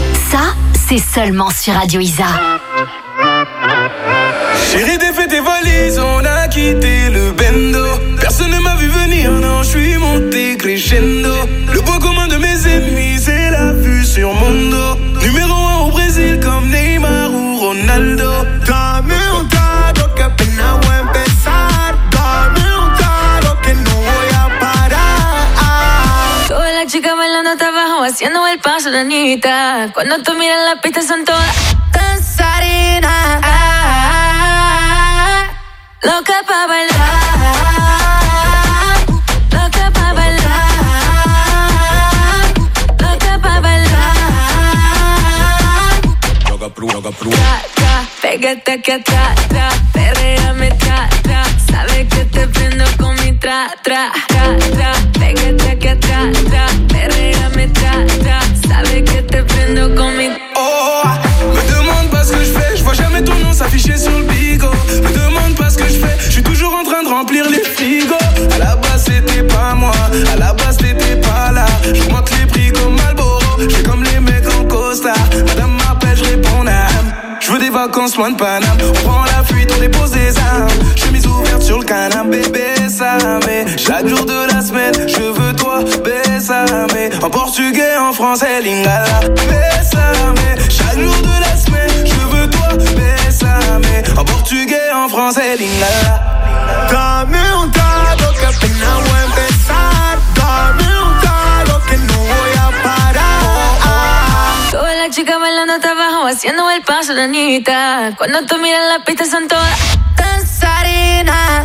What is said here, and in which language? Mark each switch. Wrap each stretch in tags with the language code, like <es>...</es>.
<fr>Ça, c'est seulement sur Radio Isa. Chérie, défais tes valises, on a quitté le bendo. Personne ne m'a vu venir, non, je suis monté crescendo. Le point commun de mes ennemis, c'est la vue sur mon dos. Numéro 1 au Brésil, comme Neymar ou Ronaldo.</fr> <es>Dame un cadeau, que apenas voy a empezar. Dame un cadeau, que no voy a parar. Toda la chica bailando hasta abajo, haciendo el paso, nanita. Cuando tú miras la pista, son todas danzarinas. Ah, loca pa' bailar, loca pa' bailar, loca pa' bailar. Loca pru, loca pru. Tra, tra, pégate aquí atrás, tra, perreame tra, tra. Sabes que te prendo con mi tra, tra, tra, tra. Pégate aquí atrás, tra, perreame tra, tra. Sabes que te prendo con mi.</es> <fr>Oh, me demande pas ce que je fais. Je vois jamais ton nom s'afficher sur le bigo. Me demande pas ce que je fais. Je suis toujours en train de remplir les frigos. À la base c'était pas moi. À la base t'étais pas là. J'augmente les prix comme Marlboro. J'ai comme les mecs en costard. Madame m'appelle, je réponds nam. Je veux des vacances loin de Paname. On prend la fuite, on dépose des armes. Chemise ouverte sur le canapé, bébé ça mais. Chaque jour de la semaine, je veux toi, bébé. En portugais, en français, lingala.</fr> <es>Bésame.</es> <fr>Chaque jour de la semaine, je veux toi.</fr> <es>Bésame.</es> <fr>En portugais, en français, lingala.</fr> <es>Dame un cadeau, que apenas voy a empezar. Dame un cadeau, que no voy a parar. Toda la chica bailando hasta abajo, haciendo el paso, nanita. Cuando tú miras la pista, son todas danzarinas.</es>